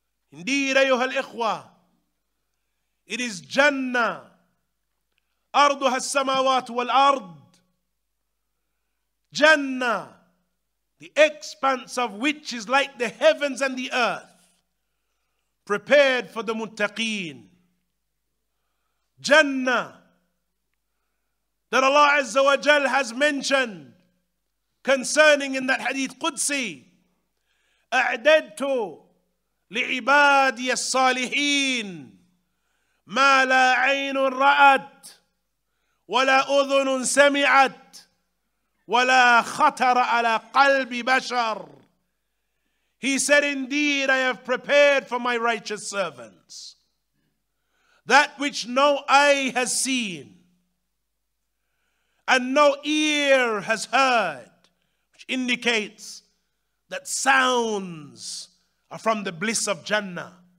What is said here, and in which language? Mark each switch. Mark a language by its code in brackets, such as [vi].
[en] Indeed, [ar] ayyuhal ikhwa, [en] it is Jannah. [ar] Arduha as-samawat wal-ard. [en] Jannah, the expanse of which is like the heavens and the earth, prepared for the muttaqeen. Jannah, that Allah Azza wa Jal has mentioned concerning in that hadith Qudsi, [ar] أَعْدَدْتُ لِعِبَادِيَ الصَّالِحِينَ مَا لَا عَيْنٌ رَأَتْ وَلَا أُذُنٌ سَمِعَتْ وَلَا خَطَرَ عَلَىٰ قَلْبِ بَشَرٍ. [en] He said, indeed, I have prepared for my righteous servants that which no eye has seen and no ear has heard, which indicates that sounds are from the bliss of Jannah.